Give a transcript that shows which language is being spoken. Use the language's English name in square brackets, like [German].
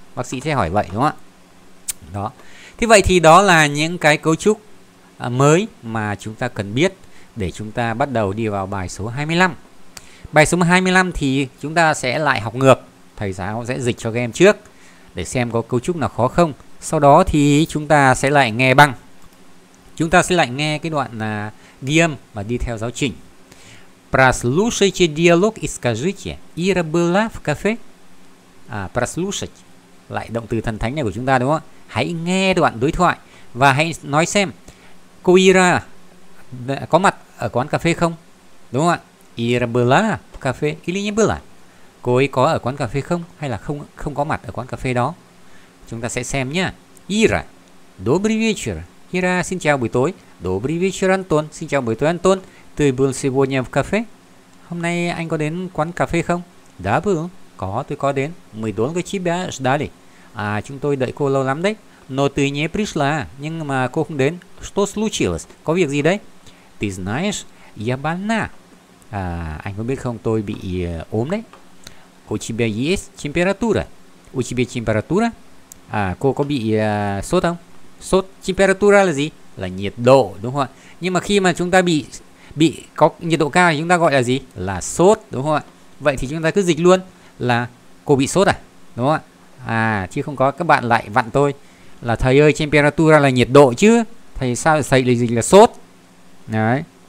[Vietnamese] Bác sĩ sẽ hỏi vậy, đúng không ạ? Đó. Thế vậy thì đó là những cái cấu trúc mới mà chúng ta cần biết để chúng ta bắt đầu đi vào bài số 25. Bài số 25 thì chúng ta sẽ lại học ngược. Thầy giáo sẽ dịch cho các em trước để xem có cấu trúc nào khó không. Sau đó thì chúng ta sẽ lại nghe băng. Chúng ta sẽ lại nghe cái đoạn ghi âm và đi theo giáo trình. [Russian] Прослушайте диалог и скажите, Ира была в кафе? Прослушать. [Vietnamese] Lại động từ thần thánh này của chúng ta, đúng không? Hãy nghe đoạn đối thoại và hãy nói xem cô Ira có mặt ở quán cà phê không? Đúng không ạ? Ira была в кафе или не была? Cô ấy có ở quán cà phê không? Hay là không có mặt ở quán cà phê đó? Chúng ta sẽ xem nhé. Ира. [Russian] Добрый вечер. [Vietnamese] Ира, xin chào buổi tối. [Russian] Добрый вечер, Антон. [Vietnamese] Xin chào buổi tối, Антон. [Russian] Ты был сегодня в кафе? [Vietnamese] Hôm nay anh có đến quán cà phê không? [Russian] Да был. [Vietnamese] Có, tôi có đến. [Russian] Мы долго тебя ждали. [Vietnamese] À, chúng tôi đợi cô lâu lắm đấy. [Russian] Но ты не пришла. [Vietnamese] Nhưng mà cô không đến. [Russian] Что случилось? [Vietnamese] Có việc gì đấy? [Russian] Ты знаешь, я больна. [Vietnamese] À, anh có biết không, tôi bị ốm đấy. [Russian] У тебя есть температура? У тебя температура? [Vietnamese] À, cô có bị sốt không? Sốt, температура là gì? Là nhiệt độ, đúng không ạ? Nhưng mà khi mà chúng ta bị có nhiệt độ cao thì chúng ta gọi là gì? Là sốt, đúng không ạ? Vậy thì chúng ta cứ dịch luôn là cô bị sốt à? Đúng không ạ? À, chứ không có các bạn lại vặn tôi là thầy ơi, temperatura là nhiệt độ chứ, thầy sao thầy lại dịch là sốt? Đấy.